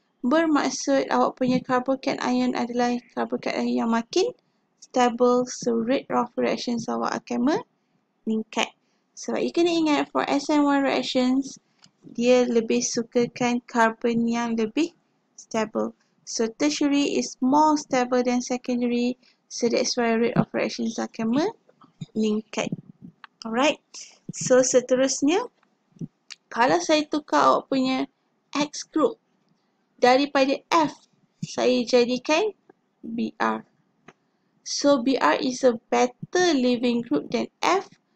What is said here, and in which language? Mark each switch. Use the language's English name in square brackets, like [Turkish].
[Malay] Bermaksud awak punya karbokat ion adalah karbokat ion yang makin stable, [English] so rate of reactions [Malay] awak akan meningkat. Sebab you kena ingat [English] for SN1 reactions, [Malay] dia lebih sukakan karbon yang lebih stable. [English] So tertiary is more stable than secondary, so that's why rate of reactions [Malay] akan meningkat. [English] Alright, so [Malay] seterusnya, kalau saya tukar awak punya X group daripada F, saya jadikan Br. [English] So Br is a better leaving group than F.